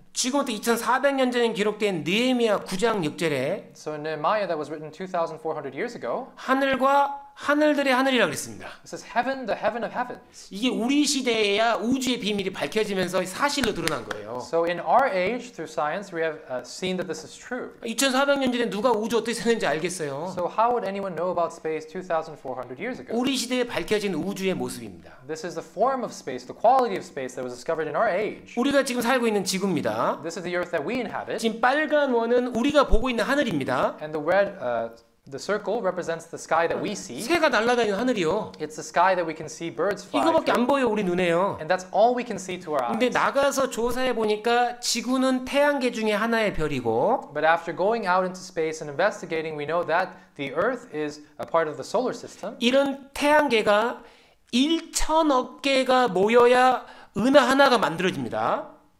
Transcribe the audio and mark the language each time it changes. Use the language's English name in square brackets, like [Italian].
[Korean] 지금부터 2,400년 전에 기록된 느헤미야 9장 6절에 [English] So in Nehemiah that was written 2,400 years ago. [Korean] 하늘과 하늘들의 하늘이라고 했습니다. [English] It says heaven, the heaven of heavens. [Korean] 이게 우리 시대에야 우주의 비밀이 밝혀지면서 사실로 드러난 거예요. [English] So in our age, through science, we have seen that this is true. [Korean] 2,400년 전에 누가 우주 어떻게 생겼는지 알겠어요. [English] So how would anyone know about space 2,400 years ago? [Korean] 우리 시대에 밝혀진 우주의 모습입니다. [English] This is the form of space, the quality of space that was discovered in our age. [Korean] 우리가 지금 살고 있는 지구입니다. [English] This is the earth that we inhabit. [Korean] 지금 빨간 원은 우리가 보고 있는 하늘입니다. [English] And the red The circle represents the sky that we see. [Korean] 새가 날아다니는 하늘이요. [English] It's the sky that we can see birds fly. [Korean] 이거밖에 안 보여 우리 눈에요. [English] And that's all we can see to our eyes. [Korean] 근데 나가서 조사해 보니까 지구는 태양계 중에 하나의 별이고. [English] But after going out into space and investigating, we know that the Earth is a part of the solar system. [Korean] 이런 태양계가 1천억 개가 모여야 은하 하나가 만들어집니다.